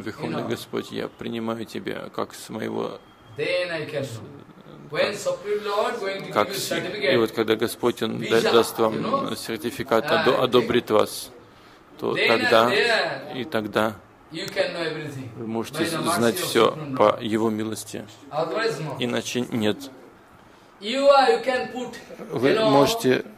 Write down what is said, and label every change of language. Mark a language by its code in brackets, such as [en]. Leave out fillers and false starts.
[ru] О, Верховный Господь, я принимаю тебя как с моего. [en] Then I can. When Supreme Lord going to give you certificate. [ru] И вот когда Господь он даст вам сертификат, одобрит вас, то тогда и тогда вы можете знать все по Его милости. Иначе нет. [en] You can put. [ru] Вы можете.